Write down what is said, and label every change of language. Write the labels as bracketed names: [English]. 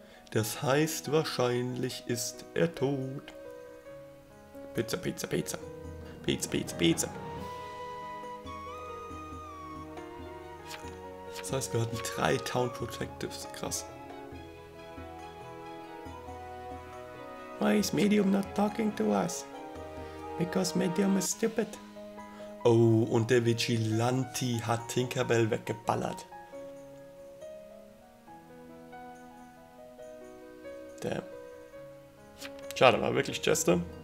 [German] Das heißt, wahrscheinlich ist er tot. Pizza, Pizza, Pizza. Pizza, Pizza, Pizza. Das heißt, wir hatten drei Town Protectives. Krass. [English] Why is Medium not talking to us? Because Medium is stupid. [German] Oh, und der Vigilante hat Tinkerbell weggeballert. Damn. Schade, war wirklich Chester.